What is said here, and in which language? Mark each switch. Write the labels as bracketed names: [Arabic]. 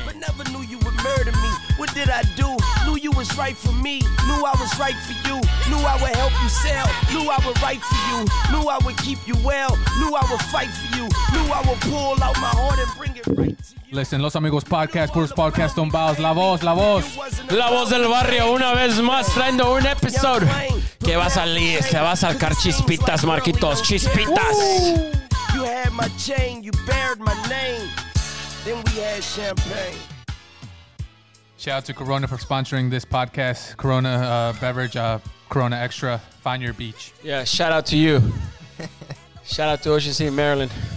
[English] But never knew you would murder me. What did I do? Knew you was right for me. Knew I was right for you. Knew I would help you sell. Knew I would write for you. Knew I would keep you well. Knew I would fight for you. Knew I would pull out my heart and bring it right to you. [Spanish] Listen, Los Amigos Podcast, Puros Podcast Tumbados, La Voz, La Voz. La Voz del Barrio, una vez más, trayendo un episodio que va a salir, se va a sacar chispitas, Marquitos, chispitas. [English] You had my chain, you bared my name, then we had champagne. Shout out to Corona for sponsoring this podcast, Corona Beverage, Corona Extra, find your beach. Yeah, shout out to you. Shout out to Ocean City, Maryland.